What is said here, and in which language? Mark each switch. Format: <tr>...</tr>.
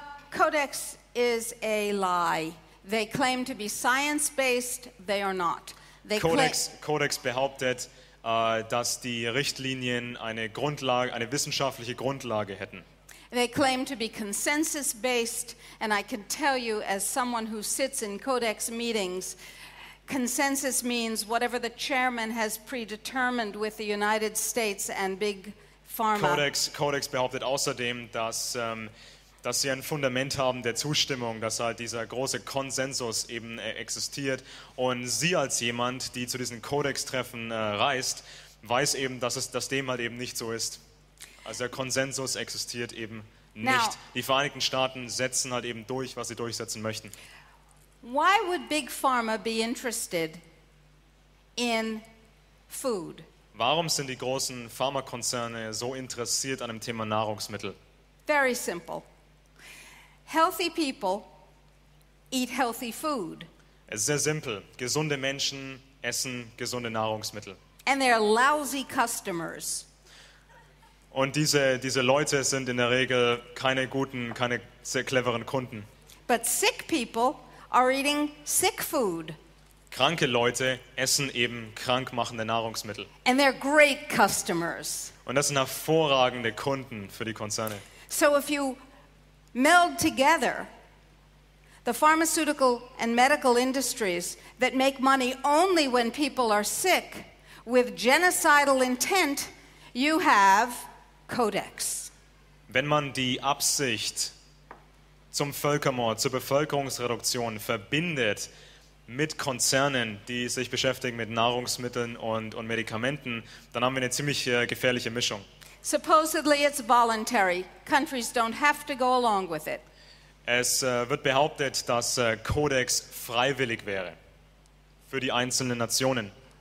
<en>Codex is a lie. They claim to be science-based. They are not.</en> <de>Codex behauptet, dass die Richtlinien eine Grundlage, eine wissenschaftliche Grundlage hätten.</de> <en>They claim to be consensus-based, and I can tell you, as someone who sits in Codex meetings, consensus means whatever the chairman has predetermined with the United States and Big Pharma.</en> <de>Codex behauptet außerdem, dass sie ein Fundament haben der Zustimmung, dass halt dieser große Konsensus eben existiert. Und sie als jemand, die zu diesen Codex-Treffen reist, weiß eben, dass dem halt eben nicht so ist. Also der Konsensus existiert eben nicht. Now, die Vereinigten Staaten setzen halt eben durch, was sie durchsetzen möchten.</de> <en>Why would Big Pharma be interested in food?</en> <de>Warum sind die großen Pharmakonzerne so interessiert an dem Thema Nahrungsmittel?</de> <en>Very simple. Healthy people eat healthy food.</en> <de>Es ist sehr simpel. Gesunde Menschen essen gesunde Nahrungsmittel.</de> <en>And they are lousy customers.</en> <de>Und diese Leute sind in der Regel keine guten, keine sehr cleveren Kunden.</de> <en>But sick people are eating sick food.</en> <de>Kranke Leute essen eben krankmachende Nahrungsmittel.</de> <en>And they're great customers.</en> <de>Und das sind hervorragende Kunden für die Konzerne.</de> <en>So if you meld together the pharmaceutical and medical industries that make money only when people are sick with genocidal intent, you have Codex.</en> <de>Wenn man die Absicht zum Völkermord, zur Bevölkerungsreduktion verbindet mit Konzernen, die sich beschäftigen mit Nahrungsmitteln und Medikamenten, dann haben wir eine ziemlich gefährliche Mischung.</de> <en>Supposedly it's voluntary. Countries don't have to go along with it.</en> <de>Es wird behauptet, dass Codex freiwillig wäre für die einzelnen Nationen.</de>